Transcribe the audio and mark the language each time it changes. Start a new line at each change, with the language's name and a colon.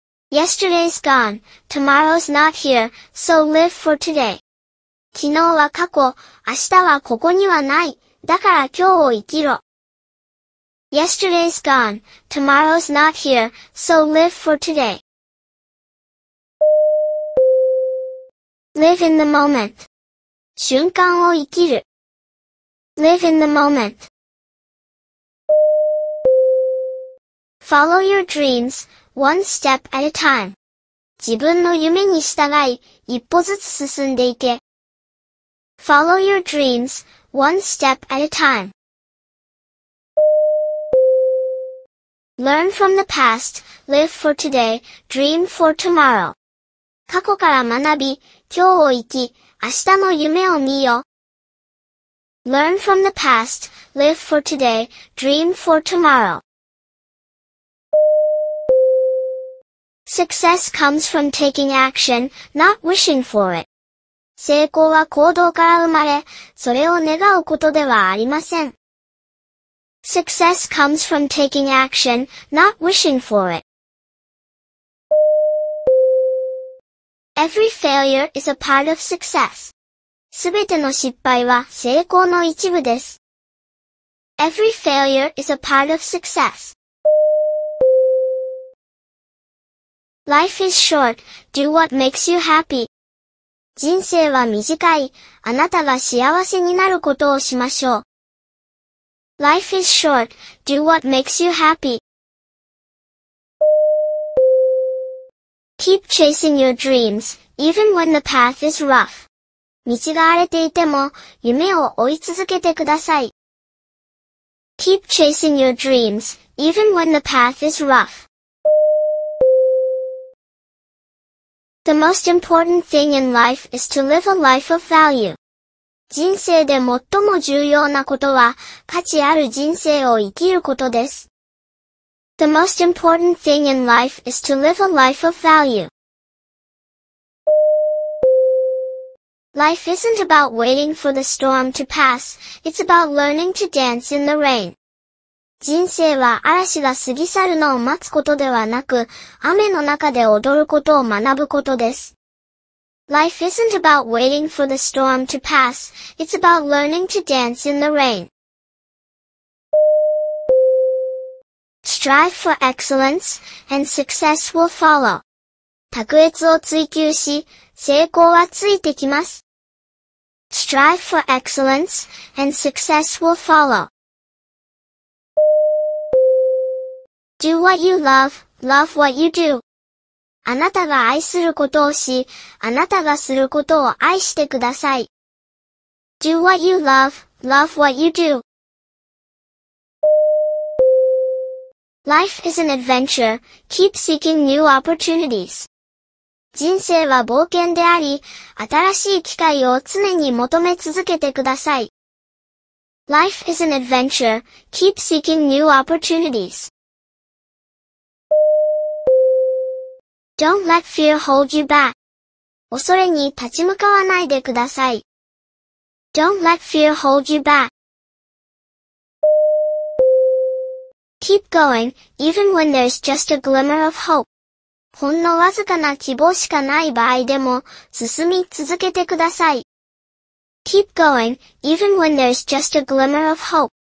English: Yesterday's gone, tomorrow's not here, so live for today.
Japanese: 昨日は過去、明日はここにはない、だから今日を生きろ。
English: Yesterday's gone, tomorrow's not here, so live for today. Live in the moment.
Japanese: 瞬間を生きる。
English: Live in the moment. Follow your dreams, one step at a time.
Japanese: 自分の夢に従い、一歩ずつ進んでいけ。
English: Follow your dreams, one step at a time. Learn from the past, live for today, dream for tomorrow.
Japanese: 過去から学び、今日を生き、明日の夢を見よ。
English: Learn from the past, live for today, dream for tomorrow. Success comes from taking action, not wishing for it.
Japanese: 成功は行動から生まれ、それを願うことではありません。
English: Success comes from taking action, not wishing for it. Every failure is a part of success.
Japanese: すべての失敗は成功の一部です。
English: Every failure is a part of success. Life is short, do what makes you happy.
Japanese: 人生は短い、あなたが幸せになることをしましょう。
English: Life is short, do what makes you happy. Keep chasing your dreams, even when the path is rough.
Japanese: 道が荒れていても、夢を追い続けてください。
English: Keep chasing your dreams, even when the path is rough. The most important thing in life is to live a life of value.
Japanese: 人生で最も重要なことは、価値ある人生を生きることです。
English: The most important thing in life is to live a life of value. Life isn't about waiting for the storm to pass, it's about learning to dance in the rain.
Japanese: 人生は嵐が過ぎ去るのを待つことではなく、雨の中で踊ることを学ぶことです。
English: Life isn't about waiting for the storm to pass, it's about learning to dance in the rain. Strive for excellence, and success will follow.
Japanese: 卓越を追求し、成功はついてきます。
English: Strive for excellence, and success will follow. Do what you love, love what you do.
Japanese: あなたが愛することをし、あなたがすることを愛してください。
English: Do what you love, love what you do. Life is an adventure, keep seeking new opportunities.
Japanese: 人生は冒険であり、新しい機会を常に求め続けてください。
English: Life is an adventure. Keep seeking new opportunities. Don't let fear hold you back.
Japanese: 恐れに立ち向かわないでください。
English: Don't let fear hold you back. Keep going, even when there's just a glimmer of hope.
Japanese: ほんのわずかな希望しかない場合でも、進み続けてください。
English: Keep going, even when there's just a glimmer of hope.